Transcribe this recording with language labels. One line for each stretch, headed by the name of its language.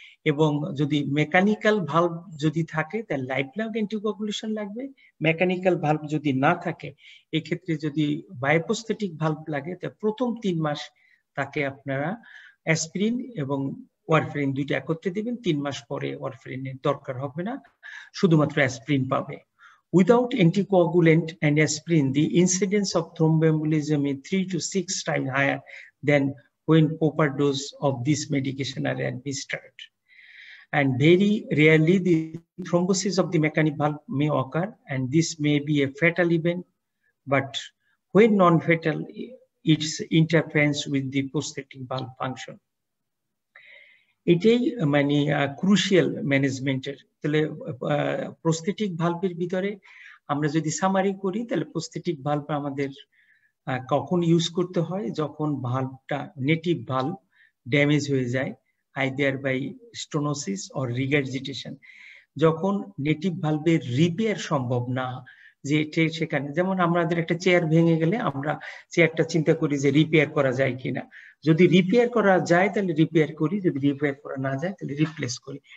Bangla: এবং যদি mechanical valve যদি থাকে তাহলে লাইফ লং অ্যান্টিকোয়াগুলেশন লাগবে, মেকানিক্যাল ভালভ যদি না থাকে এক্ষেত্রে যদি বায়োপ্রস্থেটিক ভালভ লাগে তা প্রথম 3 মাস তাকে আপনারা অ্যাসপিরিন এবং ওয়ারফেরিন দুইটা একত্রে দিবেন, 3 মাস পরে ওয়ারফেরিনের দরকার হবে না, শুধুমাত্র অ্যাসপিরিন পাবে।
English: Without anticoagulant and aspirin the incidence of thromboembolism is 3 to 6 time higher than when proper dose of this medication are administered. And very rarely the thrombosis of the mechanic valve may occur and this may be a fatal event, but when non-fatal it interferes with the prosthetic valve function.
Bangla: এটাই মানে crucial ম্যানেজমেন্টের। তাহলে prosthetic ভালভের ভিতরে আমরা যদি summary করি তাহলে prosthetic valve আমাদের কখন ইউজ করতে হয়, যখন ভালভটা নেটিভ ভালভ ড্যামেজ হয়ে যায়
English: either by stenosis or regurgitation,
Bangla: যখন নেটিভ ভালভের রিপেয়ার সম্ভব না যে এটা সেখানে, যেমন আমাদের একটা চেয়ার ভেঙে গেলে আমরা চেয়ারটা চিন্তা করি যে রিপেয়ার করা যায় কিনা, যদি রিপেয়ার করা যায় তাহলে রিপেয়ার করি, যদি রিপেয়ার করা না যায় তাহলে রিপ্লেস করি।